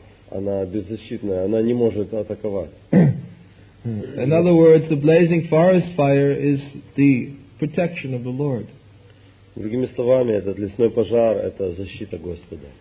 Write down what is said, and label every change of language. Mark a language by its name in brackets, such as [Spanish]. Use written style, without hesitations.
[Russian] Она беззащитная; она не может атаковать. [English] In other words, the blazing forest fire is the protection of the Lord. [Russian] Другими словами, этот лесной пожар – это защита Господа.